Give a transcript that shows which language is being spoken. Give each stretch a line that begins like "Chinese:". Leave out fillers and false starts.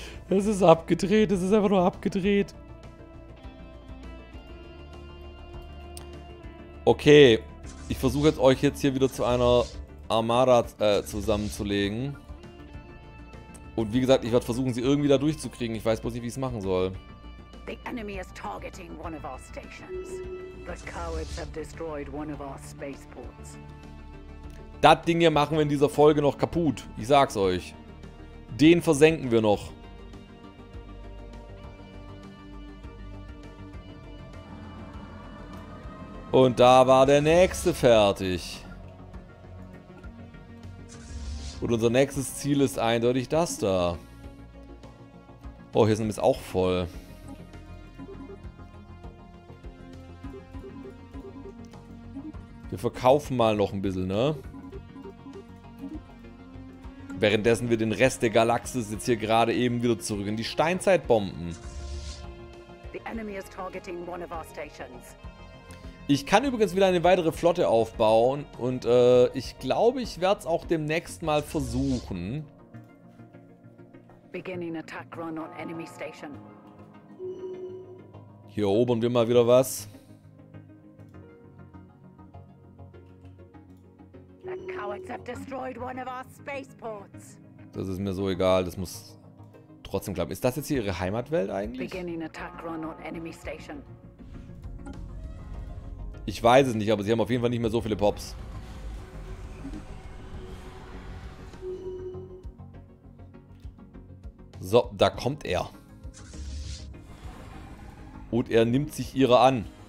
German: Es ist abgedreht, es ist einfach nur abgedreht. Okay, ich versuche jetzt euch jetzt hier wieder zu einer Armada zusammenzulegen. Und wie gesagt, ich werde versuchen, sie irgendwie da durchzukriegen. Ich weiß bloß nicht, wie ich es machen soll.
English: The enemy is targeting one of our stations. The cowards have destroyed one of our spaceports.
German: Das Ding hier machen wir in dieser Folge noch kaputt. Ich sag's euch. Den versenken wir noch. Und da war der nächste fertig. Und unser nächstes Ziel ist eindeutig das da. Oh, hier ist nämlich auch voll. Wir verkaufen mal noch ein bisschen, ne? Währenddessen wir den Rest der Galaxis jetzt hier gerade eben wieder zurück in die Steinzeit bomben.
English: The enemy is targeting one of our stations.
German: Ich kann übrigens wieder eine weitere Flotte aufbauen und ich glaube, ich werde es auch demnächst mal versuchen.
English: Beginning attack run on enemy station.
German: Hier erobern wir mal wieder was.
English: The cowards have destroyed one of our spaceports.
German: Das ist mir so egal, das muss trotzdem klappen. Ist das jetzt hier ihre Heimatwelt eigentlich?
English: Beginning attack run on enemy station.
German: Ich weiß es nicht, aber sie haben auf jeden Fall nicht mehr so viele Pops. So, da kommt er. Und er nimmt sich ihrer an.